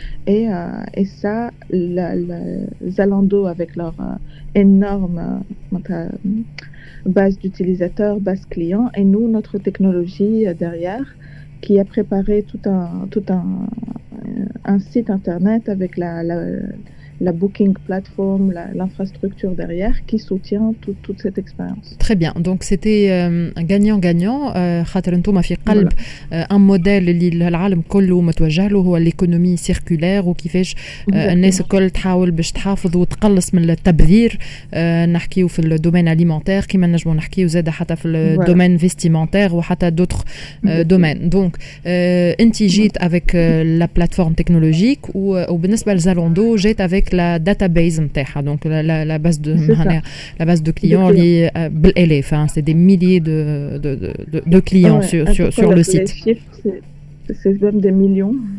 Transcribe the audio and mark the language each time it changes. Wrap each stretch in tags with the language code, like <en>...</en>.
<fr>Et ça, Zalando, avec leur énorme base d'utilisateurs, base client, et nous, notre technologie derrière, qui a préparé tout un site internet avec la booking platform, l'infrastructure derrière qui soutient toute cette expérience. Très bien. Donc c'était gagnant-gagnant.</fr> <ar>خاطر انتوما في قلب</ar> <fr>un modèle</fr> <ar>اللي العالم كله متوجه له هو</ar> <fr>l'économie circulaire</fr> <ar>وكيفاش الناس الكل تحاول باش تحافظ وتقلص من التبذير. نحكيو في الدومين alimentaire كيما نجمو نحكيو زاد حتى في الدومين vestimentaire وحتى</ar> <fr>d'autres domaines. Donc</fr> <ar>انت جيت</ar> <fr>avec la plateforme technologique</fr> <ar>وبالنسبه لزالوندو جيت</ar> <fr>avec la database نتاعها، donc la base de manière, la base de clients l'élève hein, c'est des milliers de clients sur le site. Les chiffres, c'est même des millions.</fr>